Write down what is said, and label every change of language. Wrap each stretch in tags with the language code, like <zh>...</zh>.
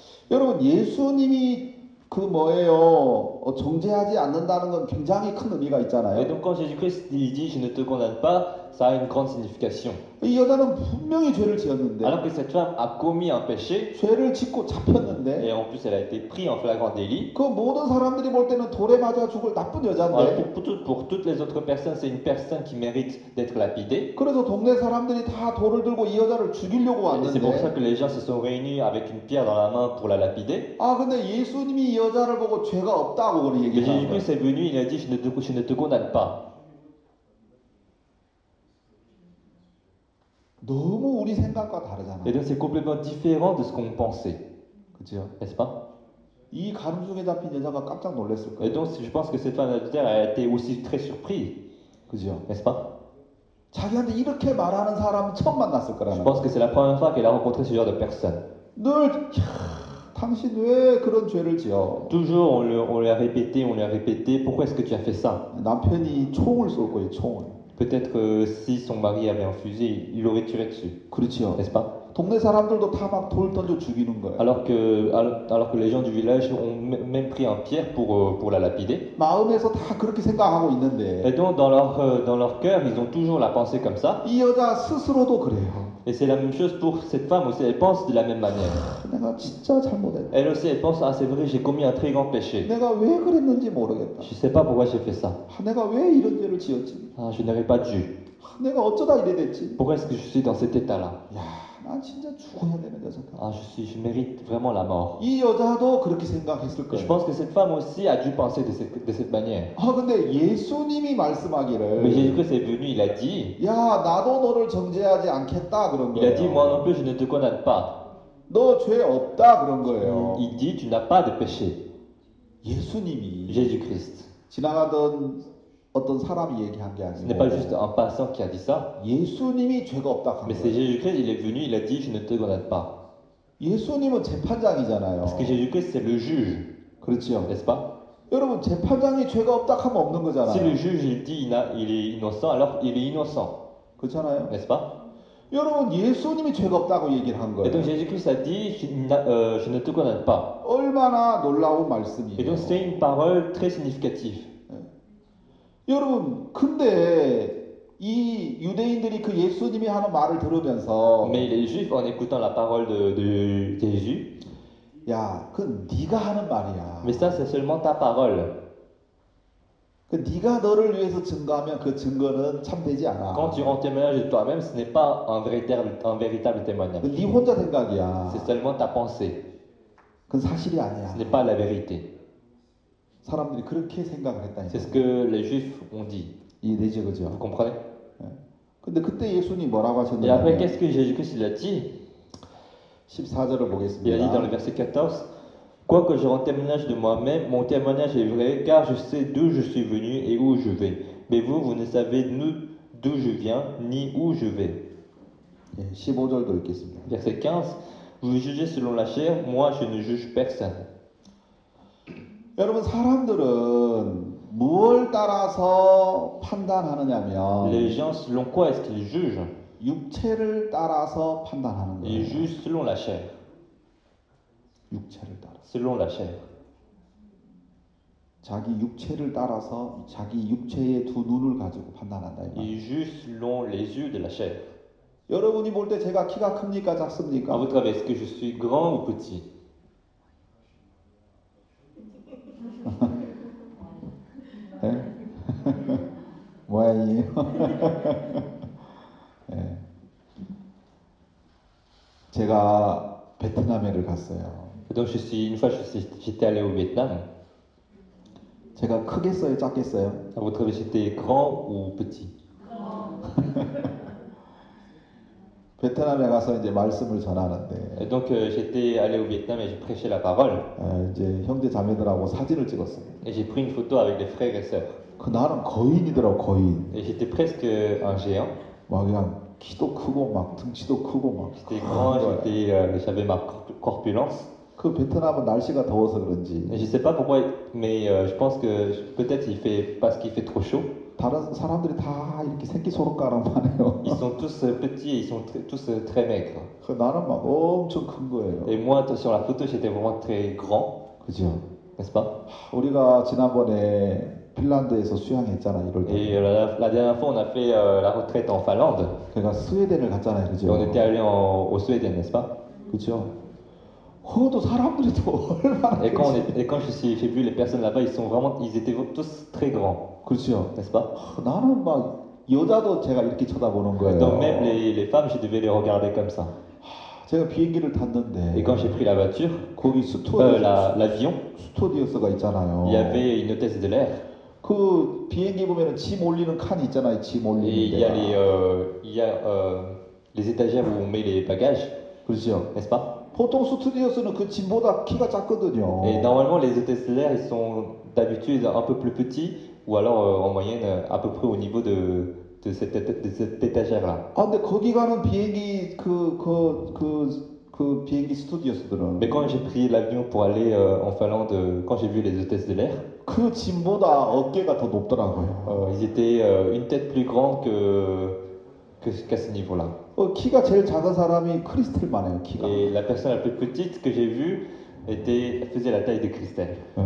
<ko>여러분, 예수님이 그 뭐예요, 정죄하지 않는다는 건 굉장히 큰 의미가 있잖아요.</ko> <fr>Et donc quand Jésus-Christ dit, je ne te condamne pas, ça a une grande signification.</fr> <ko>이 여자는 분명히 죄를 지었는데.</ko> <fr>Alors que cette femme a commis un péché.</fr> <ko>죄를 짓고 잡혔는데.</ko> <fr>Et en plus, elle a été prise en flagrant délit.</fr> <ko>그 모든 사람들이 볼 때는 돌에 맞아 죽을 나쁜 여자인데.</ko> <fr>Alors pour toutes les autres personnes, c'est une personne qui mérite d'être lapidée.</fr> <ko>그래서 동네 사람들이 다 돌을 들고 이 여자를 죽이려고 왔는데.</ko> <fr>Et c'est pour ça que les gens se sont réunis avec une pierre dans la main pour la lapider.</fr> <ko>아, 근데 예수님이 이 여자를 보고 죄가 없다고 그런 얘기를 하는 거예요.</ko> <fr>Jésus est venu, il a dit, je ne te condamne pas.</fr> <ko>너무 우리 생각과 다르잖아.</ko> <fr>Et donc c'est complètement différent de ce qu'on pensait.</fr> <ko>그렇죠?</ko> <fr>N'est-ce pas?</fr> <ko>이 가늠종에 잡힌 여자가 깜짝 놀랐을 거야.</ko> <fr>Et donc je pense que cette femme adultère a été aussi très surprise.</fr> <ko>그렇죠?</ko> <fr>N'est-ce pas?</fr> <ko>자기한테 이렇게 말하는 사람 처음 만났을 거라는.</ko> <fr>Je pense que c'est la première fois qu'il a rencontré ce genre de personne.</fr> <ko>늘 당신 왜 그런 죄를 지어?</ko> <fr>Toujours on lui a répété pourquoi est-ce que tu as fait ça?</fr> <ko>남편이 총을 쏠 거예요, 총을.</ko> <fr>Peut-être si son mari avait un fusil, il aurait tiré dessus.</fr> <ko>그렇죠.</ko> <fr>N'est-ce pas?</fr> <ko>동네 사람들도 다 막 돌 던져 죽이는 거예요.</ko> <fr>Alors que les gens du village ont même pris un pierre pour la lapider.</fr> <ko>마음에서 다 그렇게 생각하고 있는데.</ko> <fr>Et donc dans leur cœur, ils ont toujours la pensée comme ça.</fr> <ko>이 여자 스스로도 그래요.</ko> <fr>Et c'est la même chose pour cette femme aussi. Elle pense de la même manière.</fr> <ko>내가 진짜 잘못했네.</ko> <fr>Elle aussi, elle pense, ah, c'est vrai, j'ai commis un très grand péché.</fr> <ko>내가 왜 그랬는지 모르겠다.</ko> <fr>Je sais pas pourquoi j'ai fait ça.</fr> <ko>내가 왜 이런 죄를 지었지?</ko> <fr>Ah, je n'aurais pas dû.</fr> <ko>내가 어쩌다 이래 됐지?</ko> <fr>Pourquoi est-ce que je suis dans cet état-là?</fr> <ko>아 진짜 죽어야 되는데 저거.</ko> <fr>Ah, je mérite vraiment la mort.</fr> <ko>이 여자도 그렇게 생각했을 거예요.</ko> <fr>Je pense que cette femme aussi a dû penser de cette manière.</fr> <ko>아 근데 예수님이 말씀하기를.</ko> <fr>Mais Jésus est venu, il a dit.</fr> <ko>야 나도 너를 정죄하지 않겠다 그런 거예요.</ko> <fr>Il a dit moi non plus je ne te condamne pas.</fr> <ko>너 죄 없다 그런 거예요.</ko> <fr>Il dit tu n'as pas de péché.</fr> <ko>예수님이.</ko> <fr>Jésus Christ.</fr> <ko>지나가던 어떤 사람이 얘기한 게 아니고.</ko> <fr>Ce n'est pas juste un passant qui a dit ça.</fr> <ko>예수님이 죄가 없다고 한</ko> <fr>Mais c'est Jésus-Christ, il est venu, il a dit, je ne te connais pas.</fr> <ko>예수님은 재판장이잖아요.</ko> <fr>Parce que Jésus-Christ, c'est le juge.</fr> <ko>그렇지요.</ko> <fr>N'est-ce pas?</fr> <ko>여러분, 재판장이 죄가 없다고 하면 없는 거잖아요.</ko> <fr>Si le juge, il dit, il est innocent, alors il est innocent.</fr> <ko>그렇잖아요.</ko> <fr>N'est-ce pas?</fr> <ko>여러분, 예수님이 죄가 없다고 얘기를 한 거예요.</ko> <fr>Et donc Jésus-Christ a dit, je ne te connais pas.</fr> <ko>얼마나 놀라운 말씀이에요.</ko> <fr>Et donc c'est une parole très significative.</fr> <ko>여러분, 근데 이 유대인들이 그 예수님이 하는 말을 들으면서</ko> <fr>Mais les Juifs en écoutant la parole de Jésus</fr> <ko>야, 그 네가 하는 말이야.</ko> <fr>Mais ça c'est seulement ta parole.</fr> <ko>그 네가 너를 위해서 증거하면 그 증거는 참되지 않아.</ko> <fr>Quand tu en témoignages toi-même, ce n'est pas un véritable témoignage.</fr> <ko>네 혼자 생각이야.</ko> <fr>C'est seulement ta pensée.</fr> <ko>그 사실이 아니야.</ko> <fr>Ce n'est pas la vérité.</fr> <ko>사람들이 그렇게 생각을 했다니.</ko> <fr>C'est ce que les Juifs ont dit.</fr> <ko>이해되죠, 그죠?</ko> <fr>Vous comprenez?</fr> <ko>근데 그때 예수님 뭐라고 하셨는데?</ko> <fr>Et après, qu'est-ce que Jésus-Christ a dit?</fr> <ko>14절을 보겠습니다.</ko> <fr>Il a dit dans le verset 14, quoi que je rende témoignage de moi-même, mon témoignage est vrai, car je sais d'où je suis venu et où je vais. Mais vous ne savez d'où je viens ni où je vais.</fr> <ko>15절도 읽겠습니다.</ko> <fr>Verset 15, vous jugez selon la chair, moi je ne juge personne.</fr> <ko>여러분 사람들은 무엇 따라서 판단하느냐면</ko> <fr>Les gens selon quoi est-ce qu'ils jugent?</fr> <ko>육체를 따라서 판단하는 거예요.</ko> <fr>Ils jugent selon la chair.</fr> <ko>육체를 따라.</ko> <fr>Selon la chair.</fr> <ko>자기 육체를 따라서 자기 육체의 두 눈을 가지고 판단한다 이거.</ko> <fr>Ils jugent selon les yeux de la chair.</fr> <ko>여러분이 볼 때 제가 키가 큽니까 작습니까?</ko> <fr>À votre avis, est-ce que je suis grand ou petit?</fr> <ko>뭐야 이? 예. 제가 베트남에를 갔어요.</ko> <fr>Donc une fois j'étais allé au Vietnam.</fr> <ko>제가 크게 써요, 작게 써요?</ko> <fr>Vous trouvez j'étais grand ou petit?</fr> <ko>베트남에 가서 이제 말씀을 전하는데.</ko> <fr>Donc j'étais allé au Vietnam et j'ai prêché la parole.</fr> <ko>이제 형제 자매들하고 사진을 찍었어요.</ko> <fr>Et j'ai pris une photo avec les frères et sœurs.</fr> <ko>그 나는 거인이더라고 거인.</ko> <fr>Et j'étais presque un géant.</fr> <ko>막 그냥 키도 크고 막 등치도 크고 막.</ko> <fr>J'étais grand, j'avais ma corpulence.</fr> <ko>그 베트남은 날씨가 더워서 그런지.</ko> <fr>Et je sais pas pourquoi, mais je pense que peut-être il fait parce qu'il fait trop chaud.</fr> <ko>다른 사람들이 다 이렇게 새끼손가락만해요.</ko> <fr>Ils sont tous petits, ils sont tous très maigres.</fr> <ko>그 나는 막 엄청 큰 거예요.</ko> <fr>Et moi, sur la photo, j'étais vraiment très grand.</fr> <ko>그죠?</ko> <fr>N'est-ce pas?</fr> <ko>우리가 지난번에 핀란드에서 수영했잖아, 이럴 때.</ko> <fr>Et la dernière fois, on a fait la retraite en Finlande.</fr> <ko>그러니까 스웨덴을 갔잖아요, 그죠?</ko> <fr>On était allé au Sweden, n'est-ce pas?</fr> <ko>그죠? 그것도 사람들이 또 얼마나</ko> <fr>Et quand j'ai vu les personnes là-bas, ils étaient tous très grands.</fr> <ko>그렇죠.</ko> <fr>N'est-ce pas?</fr> <ko>나는 막 여자도 제가 이렇게 쳐다보는 거예요.</ko> <fr>Donc même les femmes, je devais les regarder comme ça.</fr> <ko>제가 비행기를 탔는데</ko> <fr>Et quand j'ai pris la voiture,</fr> <ko>거기 스튜어디스</ko> <fr>l'avion,</fr> <ko>스튜어디스가 있잖아요.</ko> <fr>Il y avait une hôtesse de l'air.</fr> <ko>그 비행기 보면은 짐 올리는 칸 있잖아요. 짐 올리는 데.</ko> <fr>Il y a les étagères où on met les bagages.</fr> <ko>그렇죠.</ko> <fr>N'est-ce pas?</fr> <ko>보통 스튜디오스는 그 짐보다 키가 작거든요.</ko> <fr>Et normalement les hôtesses de l'air ils sont d'habitude un peu plus petits ou alors en moyenne à peu près au niveau de de cet étagère-là.</fr> <ko>Ah, 근데 거기 가는 비행기 그 비행기 스튜디오였더라.</ko> <fr>quand j'ai pris l'avion pour aller en Finlande, quand j'ai vu les hôtesses de l'air,</fr> <ko>그 짐보다 어깨가 더 높더라고요.</ko> <fr>ils étaient une tête plus grande qu'à ce niveau-là.</fr> <ko>키가 제일 작은 사람이 크리스텔만 해요,</ko> <fr>Et</fr> <ko>키가.</ko> <fr>la personne la plus petite que j'ai vue faisait la taille de Christelle.</fr>